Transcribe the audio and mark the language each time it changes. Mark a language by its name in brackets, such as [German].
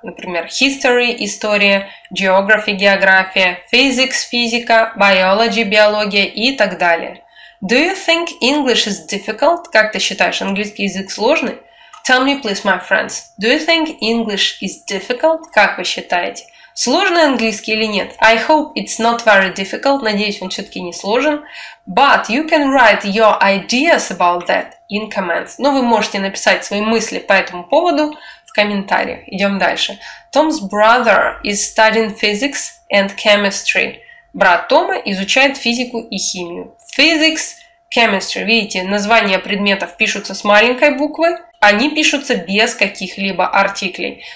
[Russian] Например, history – история, geography – география, physics – физика, biology – биология и так далее. [English] Do you think English is difficult? [Russian] Как ты считаешь, английский язык сложный? [English] Tell me, please, my friends. Do you think English is difficult? [Russian] Как вы считаете? Сложный английский или нет? [English] I hope it's not very difficult. [Russian] Надеюсь, он все-таки не сложен. [English] But you can write your ideas about that in comments. [Russian] Но вы можете написать свои мысли по этому поводу в комментариях. Идем дальше. [English] Tom's brother is studying physics and chemistry. [Russian] Брат Тома изучает физику и химию. [English] Physics, chemistry. [Russian] Видите, названия предметов пишутся с маленькой буквы. Они пишутся без каких-либо артиклей.